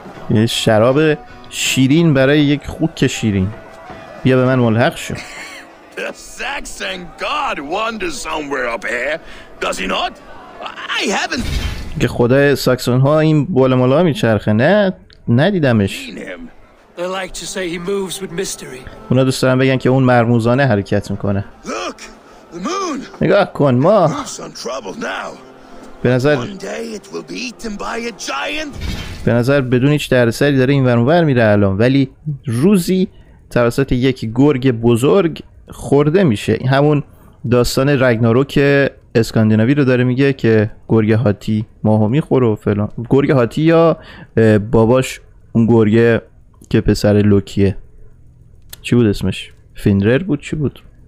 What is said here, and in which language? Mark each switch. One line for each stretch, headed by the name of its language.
Persian: یه شراب شیرین برای یک خوک شیرین. بیا به من ملحق شو.
English: The Saxon god wanders somewhere up here. Does he not? I haven't.
Persian: که خدای ساکسون ها این بالا مالا میچرخه. نه ندیدمش.
English: They like to say he moves with mystery.
Persian: اونا دوست دارن بگن که اون مرموزانه حرکت میکنه.
English: Look, the moon.
Persian: نگاه کن ماه.
English: It's in trouble now.
Persian: به نظر
English: One day it will be eaten by a giant.
Persian: به نظر بدون هیچ درسری داره این ورمور میره الان، ولی روزی توسط یک گرگ بزرگ خورده میشه. همون داستان رگناروک که اسکاندیناوی رو داره میگه که گرگ هاتی ماهو میخوره و فلان. گرگ هاتی یا باباش اون گرگه که پسر لوکیه، چی بود اسمش؟ فینرر بود چی بود؟